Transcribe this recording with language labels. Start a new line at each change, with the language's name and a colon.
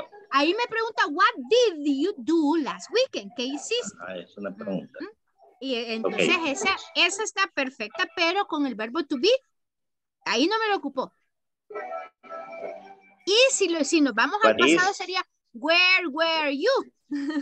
Spanish: Ahí me pregunta,
English: what did you do last weekend?
Spanish: ¿Qué hiciste? Es una pregunta. Y entonces okay. esa está perfecta, pero con el verbo to be, ahí no me lo ocupó. Y si nos vamos al pasado sería,
English: where were you?